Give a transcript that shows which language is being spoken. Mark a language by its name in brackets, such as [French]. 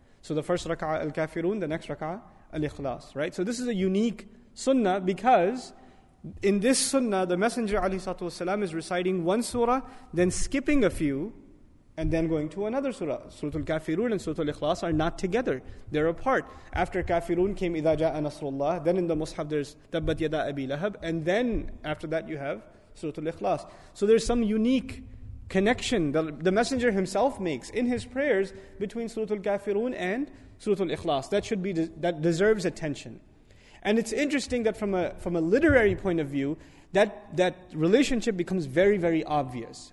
[English] So the first rak'ah Al-Kafirun, the next rak'ah Al-Ikhlas, right? So this is a unique sunnah because in this sunnah, the Messenger ﷺ is reciting one surah, then skipping a few, and then going to another surah. Surah Al-Kafirun and Surah Al-Ikhlas are not together. They're apart. After Kafirun came [Arabic] إِذَا جَاءَ نَصْرُ اللَّهِ. [English] Then in the Mus'haf there's [Arabic] تَبَّتْ يَدَا أَبِي لَهَبْ. [English] And then after that you have Surah Al-Ikhlas. So there's some unique connection that the Messenger himself makes in his prayers between Surah Al-Kafirun and Surah Al-Ikhlas. That should be that deserves attention. And it's interesting that from a literary point of view, that relationship becomes very, very obvious.